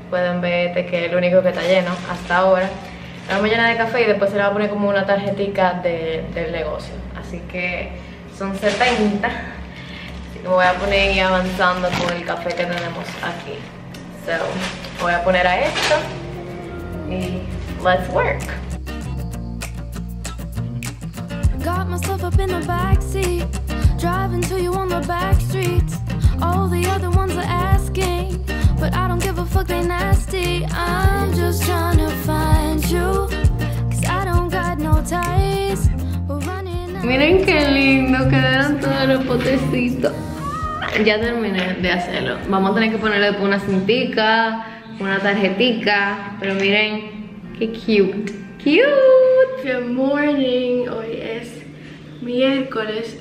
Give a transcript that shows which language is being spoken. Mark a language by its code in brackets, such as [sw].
[es] Pueden ver de que es el único que está lleno hasta ahora. Lo vamos a llenar de café y después se le va a poner como una tarjetica del negocio. Así que son 70. Me voy a poner y avanzando con el café que tenemos aquí. So, voy a poner a esto y [en] let's work. Got myself up in the back seat, driving to you on the back streets. All the other ones are asking, but I don't give a fuck, they nasty. I'm just trying to find you, 'cause I don't got no ties. [es] Miren qué lindo quedaron todos los potecitos. Ya terminé de hacerlo. Vamos a tener que ponerle después una cintica, una tarjetica. Pero miren, qué cute. Cute. [en] Good morning. [es] Hoy es miércoles.